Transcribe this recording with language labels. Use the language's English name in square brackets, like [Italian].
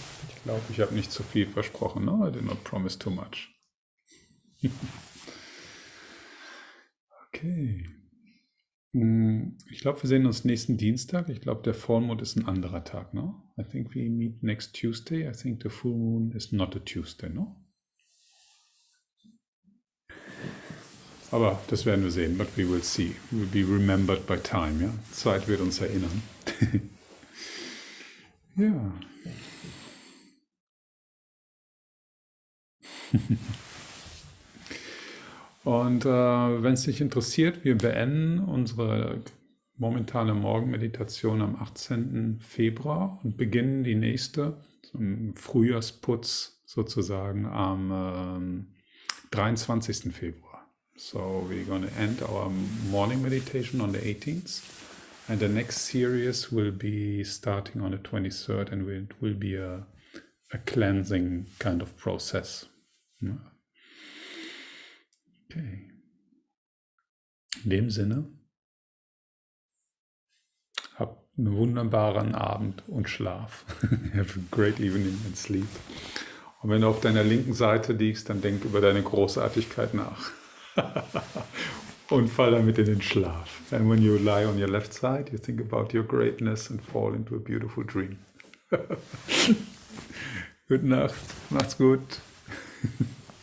[German] Ich glaube, ich habe nicht zu viel versprochen. [English] No, I did not promise too much. [German] Okay. Ich glaube, wir sehen uns nächsten Dienstag. Ich glaube, der Vollmond ist ein anderer Tag, no? [English] I think we meet next Tuesday. I think the full moon is not a Tuesday, no? [German] Aber das werden wir sehen, [English] but we will see. We will be remembered by time, ja? [German] Zeit wird uns erinnern. Ja. Und wenn es dich interessiert, wir beenden unsere momentane Morgenmeditation am 18. Februar und beginnen die nächste, zum Frühjahrsputz sozusagen, am 23. Februar. [English] So we're going to end our morning meditation on the 18th and the next series will be starting on the 23rd and it will be a cleansing kind of process. Okay. [German] In dem Sinne, hab einen wunderbaren Abend und Schlaf. [English] Have a great evening and sleep. [German] Und wenn du auf deiner linken Seite liegst, dann denk über deine Großartigkeit nach. Und fall damit in den Schlaf. [English] And when you lie on your left side, you think about your greatness and fall into a beautiful dream. [German] Gute Nacht. Macht's gut.